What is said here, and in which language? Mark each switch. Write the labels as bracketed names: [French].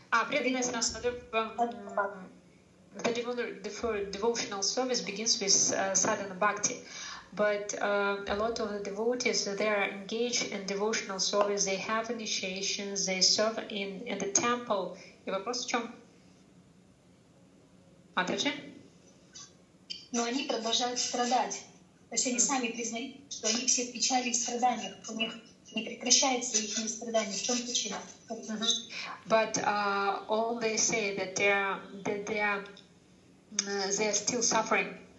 [Russian] Преданность на садхана бхакти. [English] Devotional service begins with садхана бхакти. But a lot of the devotees, they are engaged in devotional service, they have initiations, they serve in the temple. [Russian] И вопрос в чем? Опять же? Но они продолжают страдать. То есть они сами признают, что они все в печали и страданиях. У них не прекращается их страдания. В чем причина? [English] But all they say that they are still suffering.